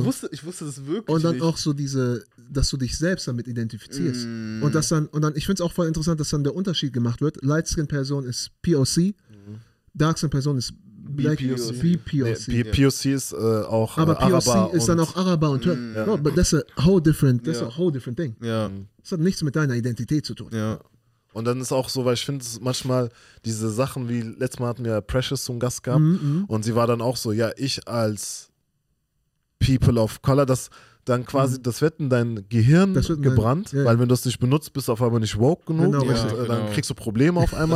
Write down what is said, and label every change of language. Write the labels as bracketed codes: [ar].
[de] ich wusste das wirklich und dann nicht. Auch so diese, dass du dich selbst damit identifizierst. Mm. Und das dann, und dann, ich finde es auch voll interessant, dass dann der Unterschied gemacht wird. Light skin Person ist POC, Dark skin Person ist POC ist auch aber Araber. Aber POC ist dann auch Araber und Türken. Ja. [en] No, but that's a whole different, thing. [de] Ja. Das hat nichts mit deiner Identität zu tun. Ja. Und dann ist auch so, weil ich finde manchmal diese Sachen, wie letztes Mal hatten wir Precious zum Gast gehabt und sie war dann auch so, ja, ich als People of Color, das dann quasi, das wird in dein Gehirn gebrannt, weil wenn du es nicht benutzt, bist du auf einmal nicht woke genug, dann kriegst du Probleme auf einmal.